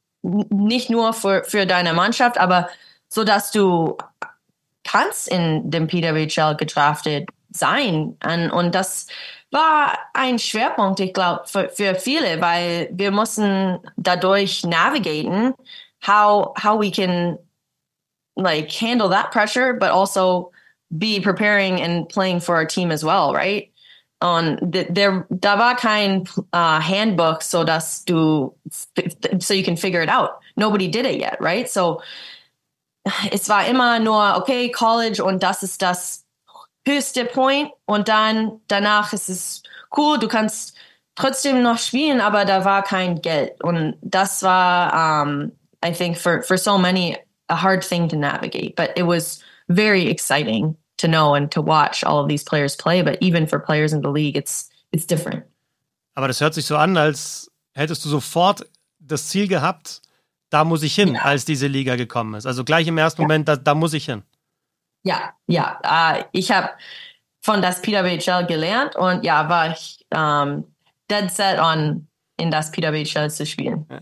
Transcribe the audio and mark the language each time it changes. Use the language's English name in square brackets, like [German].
[German] Nicht nur für deine Mannschaft, aber so dass du kannst in dem PWHL gedraftet sein. Und das war ein Schwerpunkt, ich glaube, für viele, weil wir mussten dadurch navigieren. [English] How we can like handle that pressure, but also be preparing and playing for our team as well, right? [German] Und da war kein Handbook, so dass du [English] so you can figure it out. Nobody did it yet, right? [German] So es war immer nur okay, College und das ist das höchste Point und dann danach ist es cool, du kannst trotzdem noch spielen, aber da war kein Geld und das war [English] I think for so many, a hard thing to navigate, but it was very exciting to know and to watch all of these players play. But even for players in the league, it's different. [German] Aber das hört sich so an, als hättest du sofort das Ziel gehabt, da muss ich hin, yeah. Als diese Liga gekommen ist. Also gleich im ersten Moment, da muss ich hin. Ja, yeah, ja. Yeah. Ich habe von das PWHL gelernt und ja, war ich [English] dead set on [German] in das PWHL zu spielen.